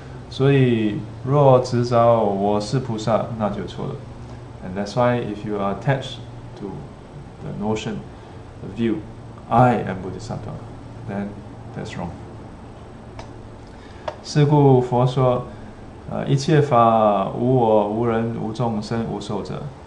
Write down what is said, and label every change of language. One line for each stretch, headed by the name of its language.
Chinese: 所以若执着我是菩萨, 那就错了.
English: And that's why if you are attached to the notion, the view, I am Bodhisattva, then that's wrong.
Chinese: 是故佛说, 一切法无我无人无众生无受者.